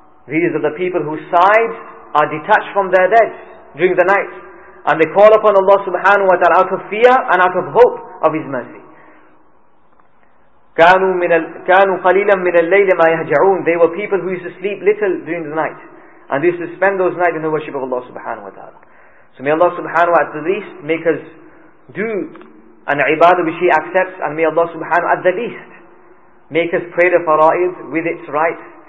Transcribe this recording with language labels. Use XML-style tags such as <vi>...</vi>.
<en>These are the people whose sides are detached from their beds during the night and they call upon Allah subhanahu wa ta'ala out of fear and out of hope of His mercy.</en> <ar>كانوا قليلا من الليل ما يهجعون.</ar> <en>They were people who used to sleep little during the night and they used to spend those nights in the worship of Allah subhanahu wa ta'ala. So may Allah subhanahu wa ta'ala at the least make us do an ibadah which He accepts, and may Allah subhanahu wa ta'ala at the least make us pray the fara'id with its rites.</en>